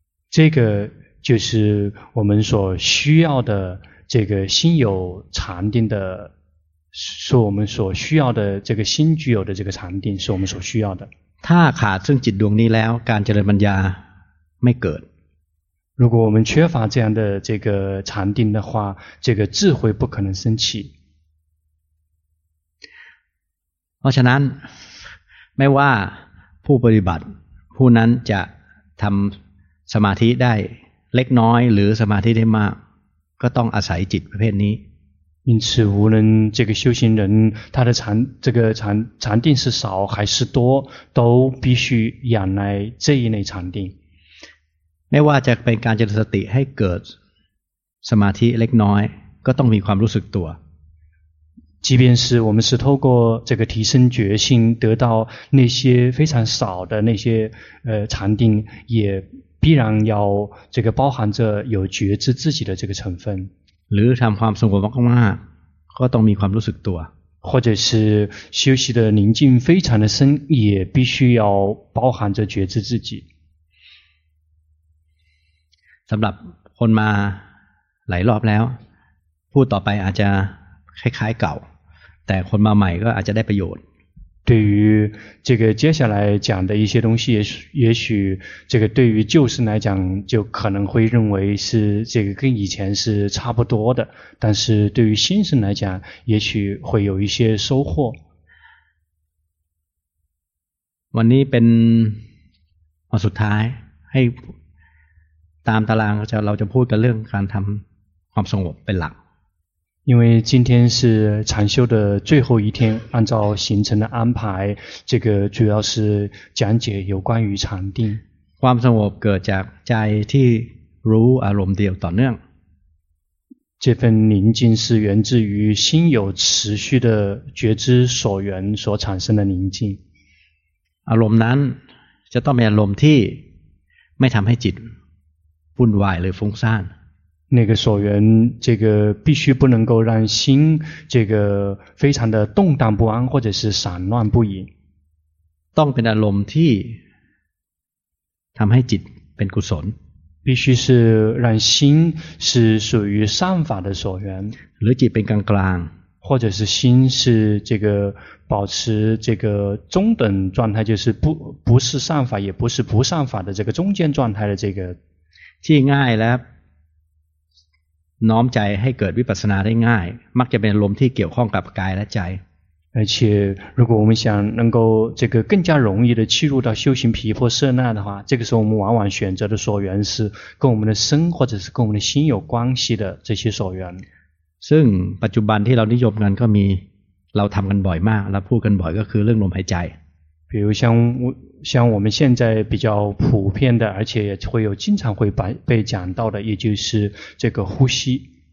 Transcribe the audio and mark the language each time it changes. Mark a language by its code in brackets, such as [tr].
[zh] 这个就是我们所需要的这个心有禅定的是我们所需要的这个心具有的这个禅定是我们所需要的 [th] ถ้าขาดซึ่งจิตดวงนี้แล้วการเจริญปัญญาไม่เกิด [zh] 如果我们缺乏这样的这个禅定的话这个智慧不可能升起 [th] เพราะฉะนั้นไม่ว่าผู้ปฏิบัติผู้นั้นจะทำสมาธิได้เล็กน้อยหรือสมาธิได้มากก็ต้องอาศัยจิตประเภทนี้ [zh] 因此无论这个修行人他的禅这个禅禅定是少还是多都必须仰赖这一类禅定 [th] ไม่ว่าจะเป็นการเจริญสติให้เกิดสมาธิเล็กน้อยก็ต้องมีความรู้สึกตัว [zh] 即便是我们是透过这个提升觉性得到那些非常少的那些禅定也必然要这个包含着有觉知自己的这个成分 [th] หรือทำความสงบมากๆก็ต้องมีความรู้สึกตัว [zh] 或者是休息的宁静非常的深也必须要包含着觉知自己 [th] สำหรับคนมาหลายรอบแล้วพูดต่อไปอาจจะคล้ายๆเก่าแต่คนมาใหม่ก็อาจจะได้ประโยชน์ [zh] 对于这个接下来讲的一些东西也许这个对于旧僧来讲就可能会认为是这个跟以前是差不多的但是对于新僧来讲也许会有一些收获 [th] วันนี้เป็นวันสุดท้ายให้ตามตารางเราจะพูดกันเรื่องการทำความสงบเป็นหลัก [zh] 因为今天是禅修的最后一天按照行程的安排这个主要是讲解有关于禅定 [th] ความสงบเกิดจากใจที่รู้อารมณ์เดียวต่อเนื่อง [zh] 这份宁静是源自于心有持续的觉知所缘所产生的宁静 [th] อารมณ์นั้นจะต้องมีอารมณ์ที่ไม่ทำให้จิตวุ่นวายหรือฟุ้งซ่าน นั่นคือส่วนที่ [zh] 必须不能够让心这个非常的动荡不安或者是散乱不已 [th] ต้องเป็นอารมณ์ที่ทำให้จิตเป็นกุศล [zh] 必须是让心是属于善法的所缘 [th] หรือจิตเป็นกลางกลาง [zh] 或者是心是这个保持这个中等状态就是不是善法也不是不善法的这个中间状态的这个 [th] ที่ง่ายแล้วน้อมใจให้เกิดวิปัสสนาได้ง่ายมักจะเป็นลมที่เกี่ยวข้องกับกายและใจ [zh] 而且如果我们想能够这个更加容易的切入到修行毗婆舍那的话这个时候我们往往选择的所缘是跟我们的身或者是跟我们的心有关系的这些所缘 [th] ซึ่งปัจจุบันที่เรานิยมกันก็มีเราทำกันบ่อยมากและพูดกันบ่อยก็คือเรื่องลมหายใจ [zh] 比如像我们现在比较普遍的而且也会有经常会被讲到的也就是这个呼吸